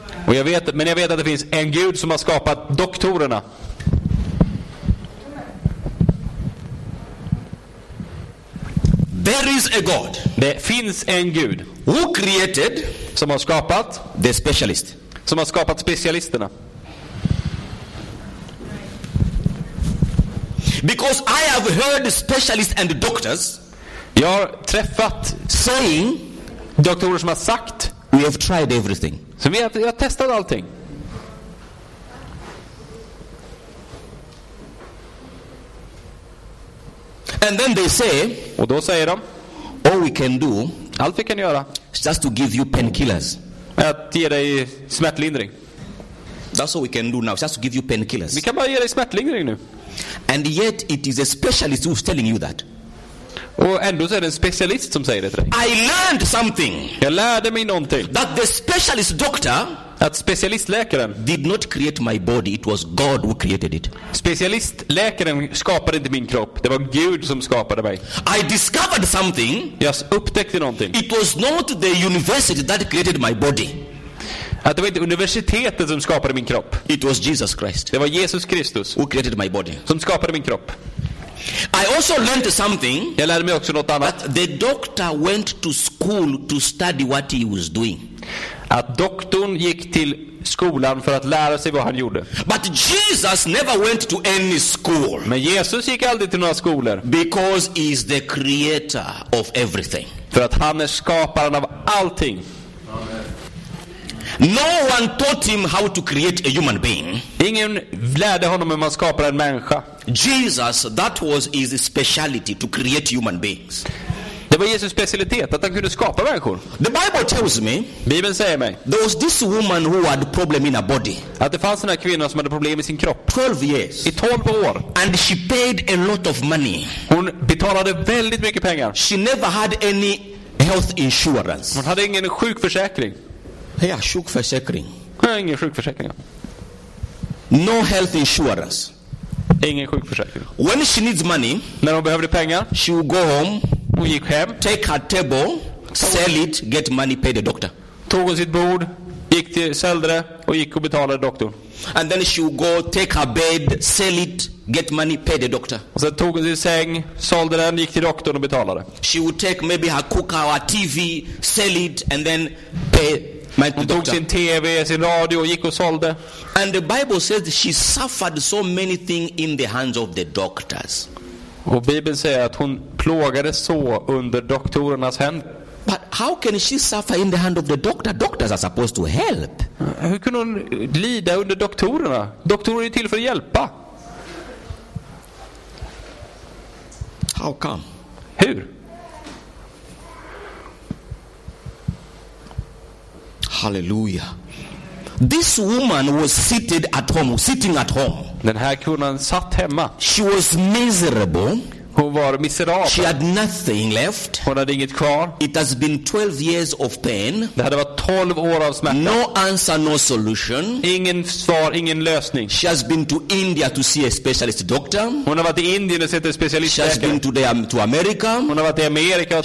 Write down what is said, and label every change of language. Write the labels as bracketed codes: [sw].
[sv] Och jag vet, men jag vet att det finns en Gud som har skapat doktorerna. [en] There is a God. [sv] Det finns en Gud. [en] Who created? [sv] Som har skapat [en] the specialist. [sv] Som har skapat specialisterna. [en] Because I have heard specialists and doctors. [sv] Jag har träffat [en] saying [sv] doktorer som har sagt [en] we have tried everything. [sv] Så vi har testat allting. [en] And then they say, [sv] och då säger de, [en] all we can do, [sv] allt vi kan göra, [en] is just to give you painkillers. [sv] Att ge dig smärtlindring. [en] That's all we can do now, just to give you painkillers. [sv] Vi kan bara ge dig smärtlindring nu. [en] And yet it is a specialist who's telling you that. [sv] Och ändå så är det en specialist som säger det till dig. [en] I learned something. [sv] Jag lärde mig någonting. [en] That the specialist doctor, [sv] att specialistläkaren, [en] did not create my body, it was God who created it. [sv] Specialistläkaren skapade inte min kropp, det var Gud som skapade mig. [en] I discovered something. [sv] Jag upptäckte någonting. [en] It was not the university that created my body. [sv] Att det var inte universitetet som skapade min kropp. [en] It was Jesus Christ. [sv] Det var Jesus Kristus [en] who created my body. [sv] Som skapade min kropp. [en] I also learned something. [sv] Jag lärde mig också något annat. [en] The doctor went to school to study what he was doing. [sv] Att doktorn gick till skolan för att lära sig vad han gjorde. [en] But Jesus never went to any school. [sv] Men Jesus gick aldrig till några skolor. [en] Because he is the creator of everything. [sv] För att han är skaparen av allting. [en] No one taught him how to create a human being. [sv] Ingen lärde honom hur man skapar en människa. [en] Jesus, that was his specialty, to create human beings. [sv] Det var Jesus specialitet att han kunde skapa människor. [en] The Bible tells me. [sv] Bibeln säger mig. [en] There was this woman who had problem in her body. [sv] Att det fanns en kvinna som hade problem i sin kropp. [en] 12 years. [sv] I 12 år. [en] And she paid a lot of money. [sv] Hon betalade väldigt mycket pengar. [en] She never had any health insurance. [sv] Hon hade ingen sjukförsäkring. Ja, sjukförsäkring. Nej, ingen sjukförsäkring. [en] No health insurance. [sv] Ingen sjukförsäkring. [en] When she needs money, [sv] när hon behöver pengar, [en] she will go home, [sv] hon gick hem, [en] take her table, sell it, get money, pay the doctor. [sv] Tog hon sitt bord, gick till säljare och gick och betalade doktorn. [en] And then she will go, take her bed, sell it, get money, pay the doctor. [sv] Och så tog hon sin säng, sålde den, gick till doktorn och betalade. [en] She will take maybe her cooker, her TV, sell it and then pay. [sv] Hon tog sin TV, sin radio och gick och sålde. [en] And the Bible says she suffered so many things in the hands of the doctors. [sv] Och Bibeln säger att hon plågade så under doktorernas händer. [en] But how can she suffer in the hand of the doctor? Doctors are supposed to help. [sv] Hur kunde hon lida under doktorerna? Doktorer är till för att hjälpa. [en] How come? [sv] Hur? Hallelujah. [en] This woman was seated at home, sitting at home. [sv] Den här kvinnan satt hemma. [en] She was miserable. [sv] Hon var miserabel. [en] She had nothing left. [sv] Hon hade inget kvar. [en] It has been 12 years of pain. [sv] Det hade varit 12 år av smärta. [en] No answer, no solution. [sv] Ingen svar, ingen lösning. [en] She has been to India to see a specialist doctor. [sv] Hon har varit i Indien och sett en specialist. [en] She has been to the to America. [sv] Hon har varit i Amerika och